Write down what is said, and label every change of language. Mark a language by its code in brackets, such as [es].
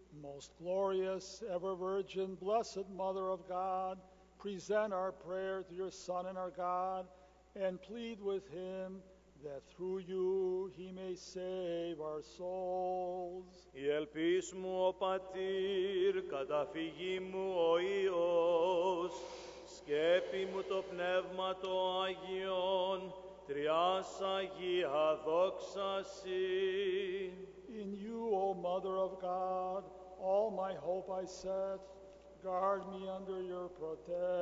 [en] Most glorious, ever virgin, blessed Mother of God, present our prayer to your Son and our God, and plead with him that through you he may save our souls. [el] Η ελπίς μου, ο Πατήρ, καταφυγή μου, ο Υιός, σκέπη μου το Πνεύμα το Άγιον, τριάς Αγία δόξαση. [en] In you, O Mother of God, all my hope I set, guard me under your protection.